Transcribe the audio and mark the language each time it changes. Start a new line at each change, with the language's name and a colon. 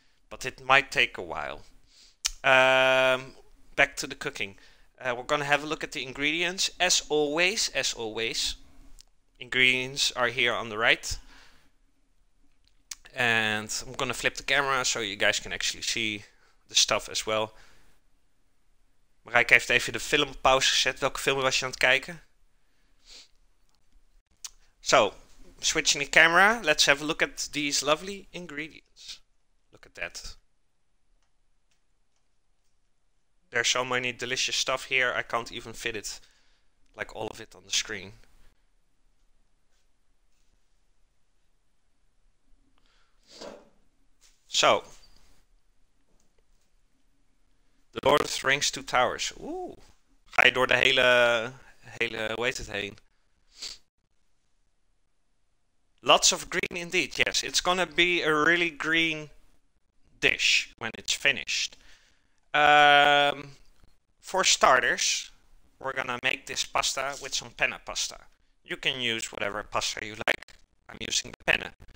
English: But it might take a while. Back to the cooking. We're gonna have a look at the ingredients. As always, ingredients are here on the right. And I'm gonna flip the camera so you guys can actually see the stuff as well.
Dutch: Marijke heeft even de film pauze gezet. Welke film was je aan het kijken?
English: So, switching the camera, let's have a look at these lovely ingredients. Look at that. There's so many delicious stuff here, I can't even fit it, like all of it on the screen. So, The Lord of the Rings, Two Towers.
Dutch: Ooh, ga je door de hele, hoe heet het heen?
English: Lots of green indeed, yes. It's gonna be a really green dish when it's finished. For starters, we're gonna make this pasta with some penne pasta. You can use whatever pasta you like. I'm using the penne.